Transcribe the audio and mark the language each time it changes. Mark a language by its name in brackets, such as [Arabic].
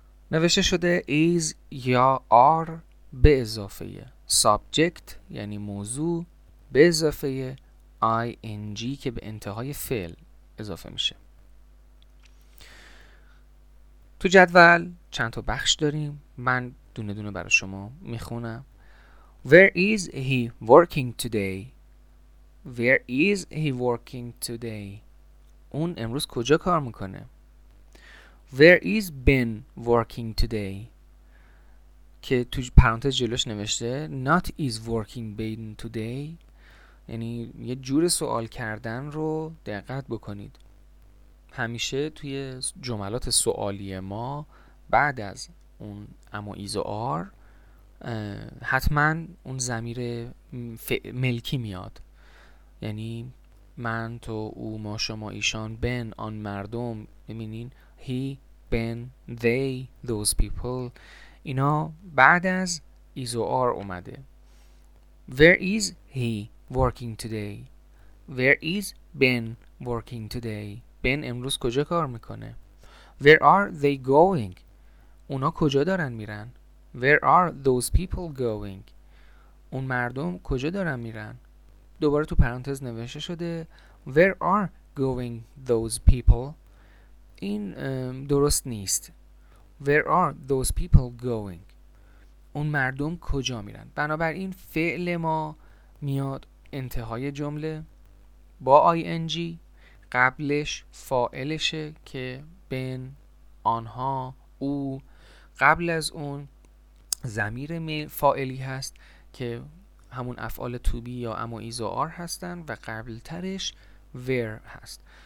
[Persian] نوشته شده is یا are به اضافه subject یعنی موضوع به اضافه ing که به انتهای فعل اضافه میشه. تو جدول چند تا بخش داریم، من دونه دونه برای شما میخونم. [English] Where is he working today؟ Where is he working today؟ [Persian] اون امروز کجا کار میکنه؟ [English] Where is Ben working today؟ [Persian] که تو پرانتز جلوش نوشته [English] Not is working Ben today؟ [Persian] یعنی یه جور سوال کردن رو دقت بکنید. همیشه توی جملات سوالی ما بعد از اون اما ایز و آر حتما اون ضمیر ملکی میاد، یعنی من، تو، او، ما، شما، ایشان، بن، آن مردم، میبینین هی، بن، دی، دوز پیپل، اینا بعد از ایز و آر اومده. [English] Where is he working today؟ Where is Ben working today؟ [Persian] بن امروز کجا کار میکنه؟ [English] Where are they going؟ [Persian] اونا کجا دارن میرن؟ [English] Where are those people going؟ [Persian] اون مردم کجا دارن میرن؟ دوباره تو پرانتز نوشته شده [English] Where are going those people؟ [Persian] این درست نیست. [English] Where are those people going؟ [Persian] اون مردم کجا میرن؟ بنابراین فعل ما میاد انتهای جمله با ing، قبلش فاعلشه که بن، آنها، او، قبل از اون ضمیر فاعلی هست که همون افعال توبی یا اما ایز و آر هستن و قبلترش ور هست.